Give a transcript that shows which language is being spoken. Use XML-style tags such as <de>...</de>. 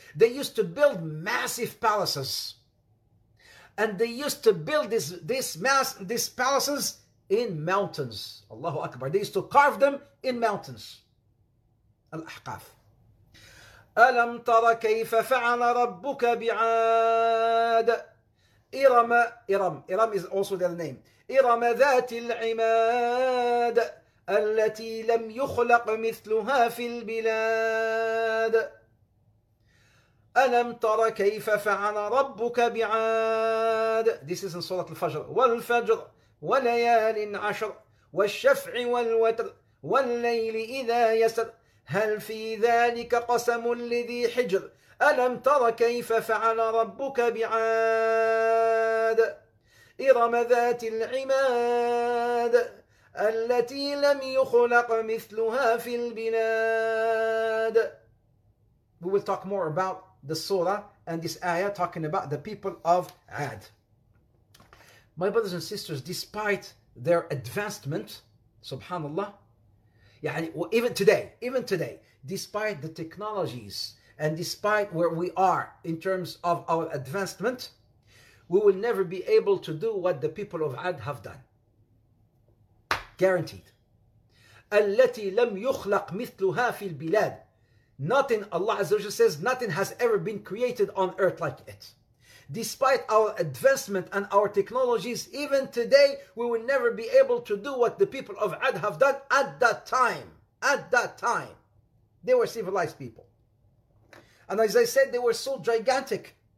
<en>They used to build massive palaces. And they used to build these palaces in mountains. Allahu Akbar. They used to carve them in mountains. Al-Ahqaf.</en> <ar>Alam tara kayfa fa'ala rabbuka bi'ad.</ar> <en>Iram is also their name.</en> <ar>Iram dhati al-imad. التي لم يخلق مثلها في البلاد ألم تر كيف فعل ربك بعاد.</ar> <en>This is in سورة الفجر.</en> <ar>والفجر وليال عشر والشفع والوتر والليل إذا يسر هل في ذلك قسم لذي حجر ألم تر كيف فعل ربك بعاد إرم ذات العماد التي لم يخلق مثلها في البلاد.</ar> <en>We will talk more about the surah and this ayah talking about the people of Ad. My brothers and sisters, despite their advancement, subhanallah, even today, despite the technologies and despite where we are in terms of our advancement, we will never be able to do what the people of Ad have done. Guaranteed.</en> <ar>التي لم يخلق مثلها في البلاد.</ar> <en>Nothing, Allah Azza wa Jalla says, nothing has ever been created on earth like it. Despite our advancement and our technologies, even today, we will never be able to do what the people of Ad have done at that time. At that time. They were civilized people. And as I said, they were so gigantic.</en>